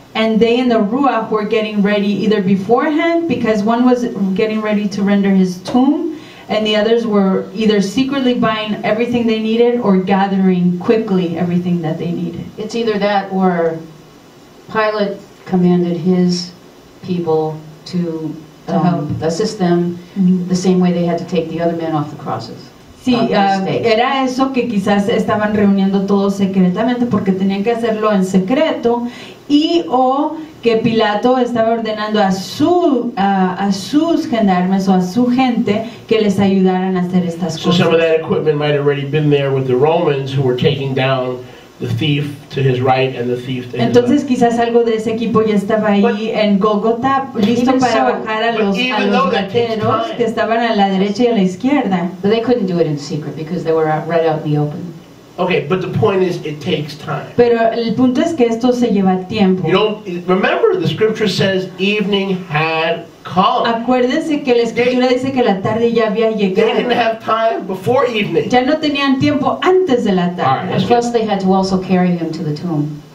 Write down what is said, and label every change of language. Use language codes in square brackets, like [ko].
[en] And they and the Ruach were getting ready either beforehand, because one was getting ready to render his tomb, and the others were either secretly buying everything they needed or gathering quickly everything that they needed. It's either that or Pilate commanded his people to help assist them, mm-hmm, the same way they had to take the other men off the crosses. [es] Sí, era eso que quizás estaban reuniendo todos secretamente porque tenían que hacerlo en secreto, y o que Pilato estaba ordenando a sus gendarmes o a su gente que les ayudaran a hacer estas cosas. [en] So some of that equipment might have already been there with the Romans who were taking down the thief to his right and the thief to his left. [es] Entonces quizás algo de ese equipo ya estaba ahí en Golgotha, listo para bajar a los gateros que estaban a la derecha y a la izquierda. [en] But they couldn't do it in secret because they were right out in the open. Okay, but the point is it takes time. [es] Pero el punto es que esto se lleva tiempo. [en] You don't remember the scripture says evening had come. [es] Acuérdense que la escritura dice que la tarde ya había llegado. [en] They didn't have time before evening. [es] Ya no tenían tiempo antes de la tarde. [en] Right, plus they had to also carry him to the tomb.